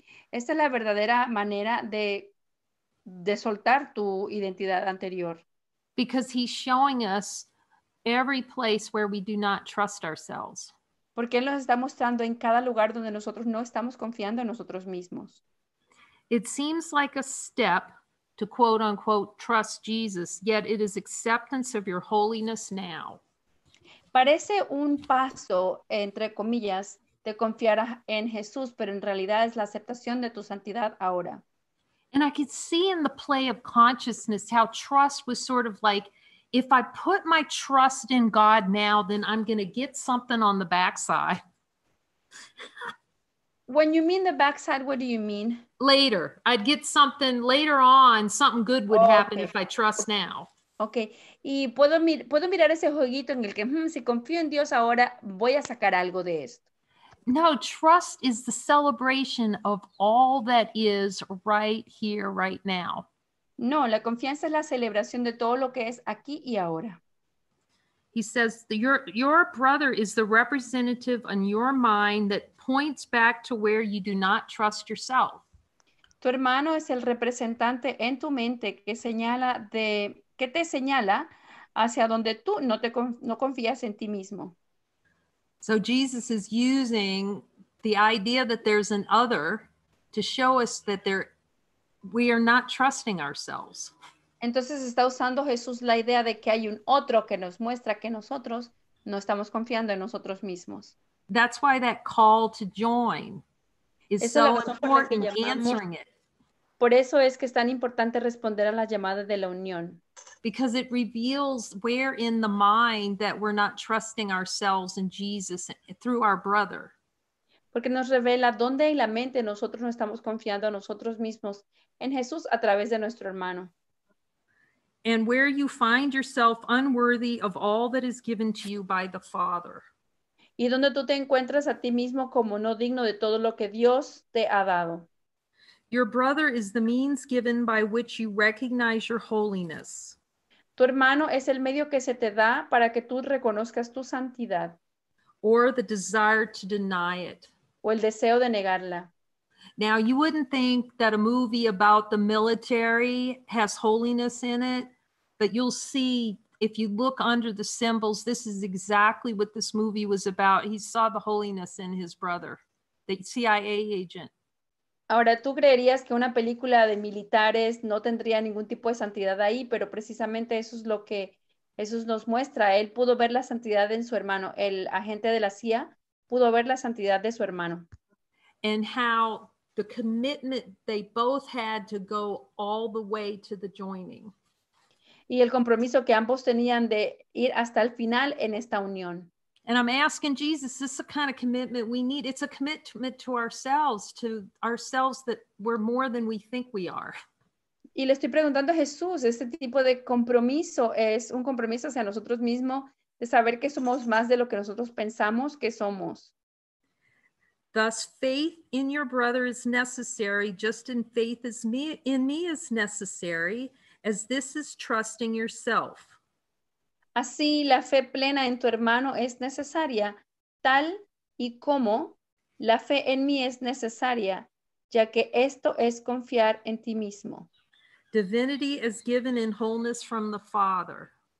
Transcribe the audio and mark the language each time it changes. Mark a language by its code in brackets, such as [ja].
[es] Esta es la verdadera manera de soltar tu identidad anterior. [en] Because he's showing us every place where we do not trust ourselves. [es] Porque él nos está mostrando en cada lugar donde nosotros no estamos confiando en nosotros mismos. [en] It seems like a step to quote unquote trust Jesus, yet it is acceptance of your holiness now. [es] Parece un paso, entre comillas, de confiar en Jesús, pero en realidad es la aceptación de tu santidad ahora. [en] And I could see in the play of consciousness how trust was sort of like, if I put my trust in God now, then I'm going to get something on the backside. When you mean the backside, what do you mean? Later. I'd get something later on, something good would happen if I trust now. [es] Okay, y puedo mirar ese jueguito en el que, si confío en Dios ahora, voy a sacar algo de esto. [en] No, trust is the celebration of all that is right here, right now. [es] No, la confianza es la celebración de todo lo que es aquí y ahora. [en] He says, your brother is the representative on your mind that points back to where you do not trust yourself. [es] Tu hermano es el representante en tu mente que señala de... ¿Qué te señala hacia donde tú no confías en ti mismo? [en] So Jesus is using the idea that there's an other to show us that there we are not trusting ourselves. [es] Entonces está usando Jesús la idea de que hay un otro que nos muestra que nosotros no estamos confiando en nosotros mismos. [en] That's why that call to join is [es] Esa [en] so important answering it. [es] Por eso es que es tan importante responder a la llamada de la unión. [en] Because it reveals where in the mind that we're not trusting ourselves in Jesus through our brother. [es] Porque nos revela dónde en la mente nosotros no estamos confiando a nosotros mismos en Jesús a través de nuestro hermano. [en] And where you find yourself unworthy of all that is given to you by the Father. [es] Y donde tú te encuentras a ti mismo como no digno de todo lo que Dios te ha dado. [en] Your brother is the means given by which you recognize your holiness. [es] Tu hermano es el medio que se te da para que tú reconozcas tu santidad. [en] Or the desire to deny it. [es] O el deseo de negarla. [en] Now, you wouldn't think that a movie about the military has holiness in it, but you'll see if you look under the symbols, this is exactly what this movie was about. He saw the holiness in his brother, the CIA agent. [es] Ahora, ¿tú creerías que una película de militares no tendría ningún tipo de santidad ahí? Pero precisamente eso es lo que Jesús nos muestra. Él pudo ver la santidad en su hermano. El agente de la CIA pudo ver la santidad de su hermano. [en] And how the commitment they both had to go all the way to the joining. [es] Y el compromiso que ambos tenían de ir hasta el final en esta unión. [en] And I'm asking Jesus, this is the kind of commitment we need. It's a commitment to ourselves that we're more than we think we are. [es] Y le estoy preguntando a Jesús, este tipo de compromiso es un compromiso hacia nosotros mismos de saber que somos más de lo que nosotros pensamos que somos. [en] Thus, faith in your brother is necessary, just in faith is me, in me is necessary, as this is trusting yourself. [es] Así la fe plena en tu hermano es necesaria, tal y como la fe en mí es necesaria, ya que esto es confiar en ti mismo. [en] Divinity is given in wholeness from the Father.